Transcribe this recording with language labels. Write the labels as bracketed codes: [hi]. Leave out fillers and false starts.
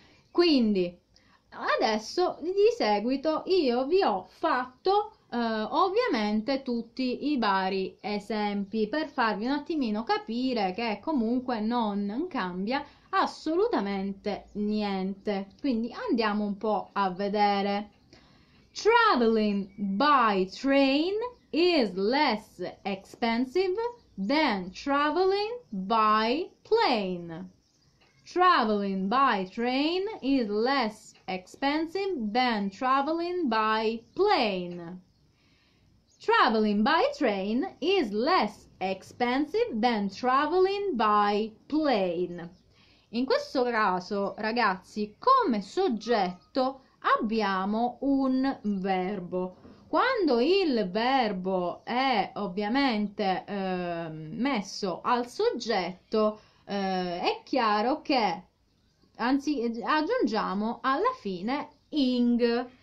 [it] Quindi, adesso di seguito io vi ho fatto ovviamente tutti i vari esempi per farvi un attimino capire che comunque non cambia assolutamente niente. Quindi andiamo un po' a vedere. [en] Traveling by train is less expensive than traveling by plane. Traveling by train is less expensive than traveling by plane. Traveling by train is less expensive than traveling by plane. [it] In questo caso, ragazzi, come soggetto abbiamo un verbo. Quando il verbo è ovviamente messo al soggetto, è chiaro che, anzi, aggiungiamo alla fine ing.